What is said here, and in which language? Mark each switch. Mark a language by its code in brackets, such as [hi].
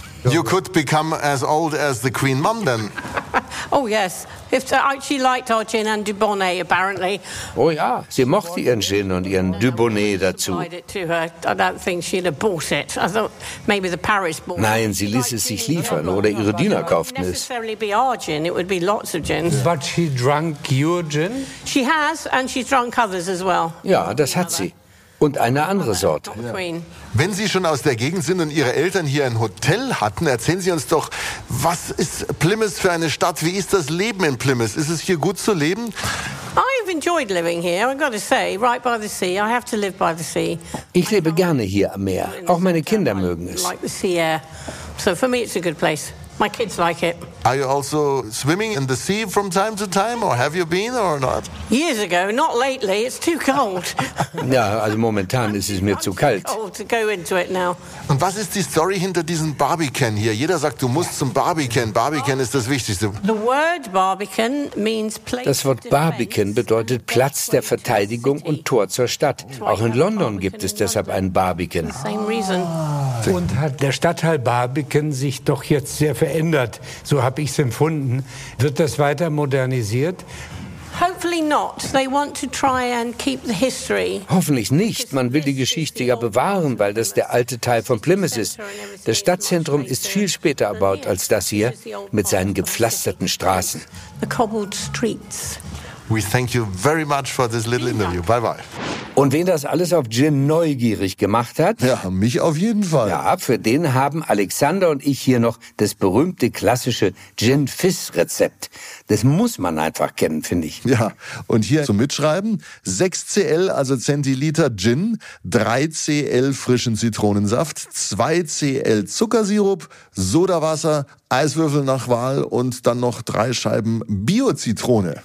[en] You could become as old as the Queen Mum then. Oh yes, she liked our gin and Dubonnet apparently. [de] Oh ja, sie mochte ihren Gin und ihren Dubonnet dazu. [en] I don't think she'd have bought it. I thought maybe the Paris bought it. [de] Nein, sie ließ es sich liefern oder ihre Diener kauften es. [en] Necessarily be our gin, it would be lots of gins. But she drank your gin? She has, and she's drunk others as well. [de] Ja, das hat sie. Und eine andere Sorte. Wenn Sie schon aus der Gegend sind und Ihre Eltern hier ein Hotel hatten, erzählen Sie uns doch, was ist Plymouth für eine Stadt? Wie ist das Leben in Plymouth? Ist es hier gut zu leben? [en] I've enjoyed living here, I've got to say, right by the sea. I have to live by the sea. [de] Ich lebe gerne hier am Meer. Auch meine Kinder mögen es. [en] I like the sea air. So for me it's a good place. My kids like it. Are you also swimming in the sea from time to time, or have you been or not? Years ago, not lately. It's too cold. [de] Ja, also momentan ist es mir zu kalt. [en] Too cold to go into it now. [de] Und was ist die Story hinter diesem Barbican hier? Jeder sagt, du musst zum Barbican. Barbican ist das Wichtigste. [en] The word Barbican means place. [de] Das Wort Barbican bedeutet Platz der Verteidigung und Tor zur Stadt. Auch in London gibt es deshalb einen Barbican. [en] Same reason. [de] Und hat der Stadtteil Barbican sich doch jetzt sehr verändert? So habe ich es empfunden. Wird das weiter modernisiert? [en] Hopefully not. They want to try and keep the history. [de] Hoffentlich nicht. Man will die Geschichte ja bewahren, weil das der alte Teil von Plymouth ist. Das Stadtzentrum ist viel später erbaut als das hier, mit seinen gepflasterten Straßen. [en] The cobbled streets. We thank you very much for this little interview. Bye bye. [de] Und wen das alles auf Jim neugierig gemacht hat? Ja, mich auf jeden Fall. Ja, für den haben Alexander und ich hier noch das berühmte klassische Gin-Fizz-Rezept. Das muss man einfach kennen, finde ich. Ja, und hier zum Mitschreiben, 6 Cl, also Zentiliter Gin, 3 Cl frischen Zitronensaft, 2 Cl Zuckersirup, Sodawasser, Eiswürfel nach Wahl und dann noch 3 Scheiben Bio-Zitrone.